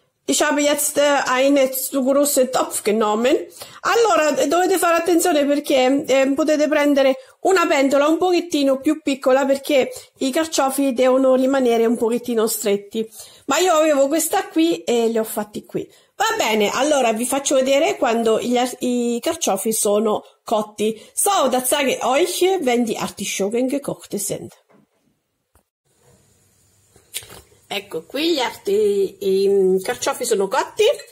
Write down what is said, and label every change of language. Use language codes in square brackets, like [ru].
[de] Ich habe jetzt einen zu großen Topf genommen. [it] Allora, dovete fare attenzione perché potete prendere una pentola un pochettino più piccola perché i carciofi devono rimanere un pochettino stretti. Ma io avevo questa qui e le ho fatti qui. Va bene, allora vi faccio vedere quando i carciofi sono cotti. [de] So, da zeige euch, wenn die Artischocken gekocht sind. [it] Ecco qui i carciofi sono cotti.